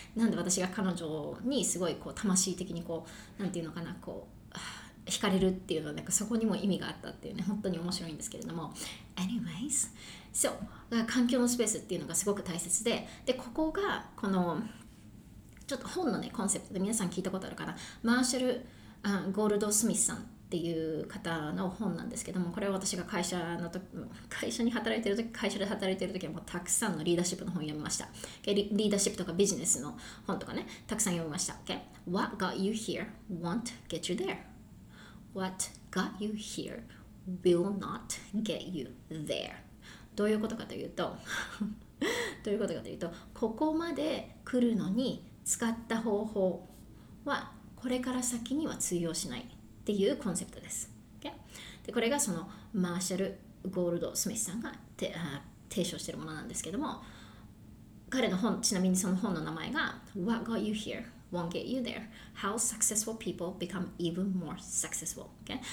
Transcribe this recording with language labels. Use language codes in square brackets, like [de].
[ja] なんで私が彼女にすごいこう魂的にこうなんていうのかな、こう惹かれるっていうのは、なんかそこにも意味があったっていうね、本当に面白いんですけれども、 [en] Anyways, so [ja] 環境のスペースっていうのがすごく大切で、でここがこのちょっと本のねコンセプトで、皆さん聞いたことあるかな、マーシャル・ゴールド・スミスさんっていう方の本なんですけども、これは私が会社で働いてる時はもうたくさんのリーダーシップの本を読みました。リーダーシップとかビジネスの本とかね、たくさん読みました。 [en] Okay? What got you here won't get you there. What got you here will not get you there. [ja] どういうことかというと、ここまで来るのに使った方法はこれから先には通用しないっていうコンセプトです。 Okay? でこれがそのマーシャル・ゴールド・スミスさんが提唱しているものなんですけども、彼の本、ちなみにその本の名前が [en] What got you here won't get you there How successful people become even more successful、 [ja] okay?